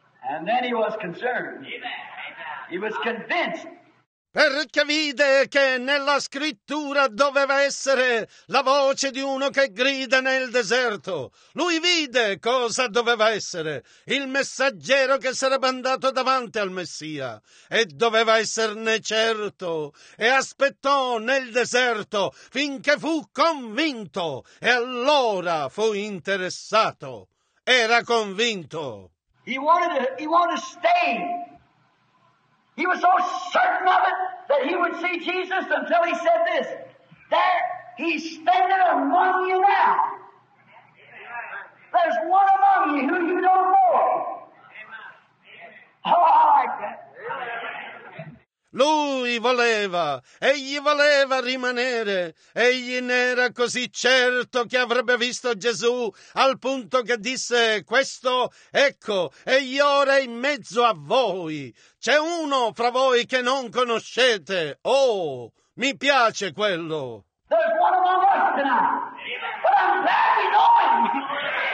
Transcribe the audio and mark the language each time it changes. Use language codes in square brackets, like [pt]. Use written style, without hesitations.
[en] And then he was concerned. Amen. Amen. He was convinced. [it] Perché vide che nella scrittura doveva essere la voce di uno che grida nel deserto. Lui vide cosa doveva essere, il messaggero che sarebbe andato davanti al Messia, e doveva esserne certo, e aspettò nel deserto finché fu convinto, e allora fu interessato. Era convinto. [en] He wanted to stay. He was so certain of it that he would see Jesus until he said this, "There, he's standing among you now. There's one among you who you don't know." Oh, I like that. [it] Lui voleva, egli voleva rimanere, egli ne era così certo che avrebbe visto Gesù al punto che disse questo, ecco, egli ora è in mezzo a voi, c'è uno fra voi che non conoscete, oh, mi piace quello. [en] There's one among us tonight, but I'm glad we know him.